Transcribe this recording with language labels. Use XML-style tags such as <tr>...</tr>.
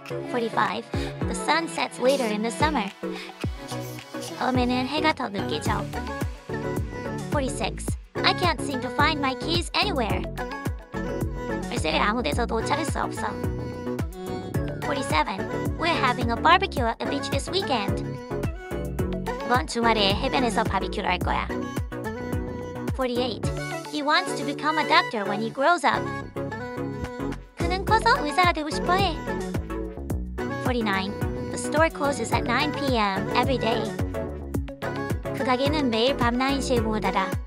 <en>45. The sun sets later in the summer.</en> <ko>봄에는 해가 더 늦게 져.</ko> <en>46. I can't seem to find my keys anywhere.</en> <ko>글쎄 아무데서도 찾을 수 없어.</ko> <en>47. We're having a barbecue at the beach this weekend.</en> <ko>이번 주말에 해변에서 바비큐를 할 거야.</ko> <en>48. He wants to become a doctor when he grows up.</en> <ko>그는 커서 의사가 되고 싶어 해.</ko> <en>49. The store closes at 9 p.m. every day.</en> <ko>그 가게는 매일 밤 9시에 문을 닫아.</ko>